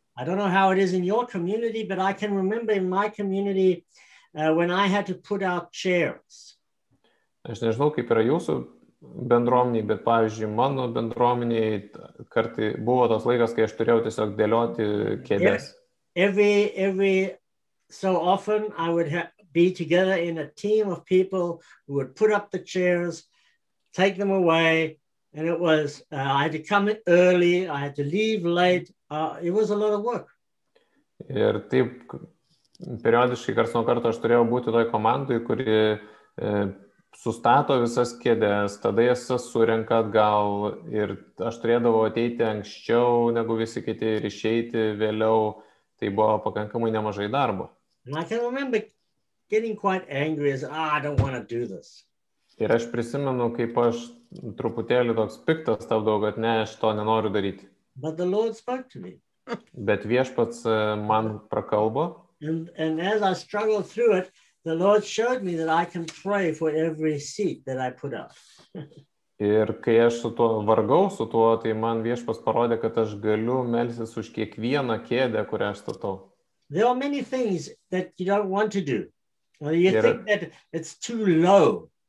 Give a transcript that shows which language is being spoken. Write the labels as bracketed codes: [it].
[en] I don't know how it is in your community, but I can remember in my community when I had to put out chairs. [lt] Aš nežinau, kaip yra jūsų bendruomenėje, bet pavyzdžiui, mano bendruomenėje kartai buvo tas laikas, kai aš turėjau tiesiog dėlioti kėdes. [en] Every so often I would be together in a team of people who would put up the chairs, take them away, and it was I had to come early, I had to leave late. It was a lot of work. [lt] Ir taip periodiškai karts nuo karto aš turėjau būti toj komandai, kuri sustato visas kėdes, tada jas surenka atgal ir aš turėdavau ateiti anksčiau negu visi kiti ir išeiti vėliau. Tai buvo pakankamai nemažai darbo. [en] And I can remember getting quite angry as, I don't want to do this. [lt] Ir aš prisimenu, kaip aš truputėlį toks piktas tapdavau, kad ne, aš to nenoriu daryti. [en] But the Lord spoke to me. [lt] Bet viešpats man prakalbo. [en] And as I struggled through it, the Lord showed me that I can pray for every seat that I put up. [lt] Ir kai aš su tuo vargau su tuo, tai man viešpats parodė, kad aš galiu melsis už kiekvieną kėdę, kurią aš statau. [en] There are many things that you don't want to do. Or you think that it's too low.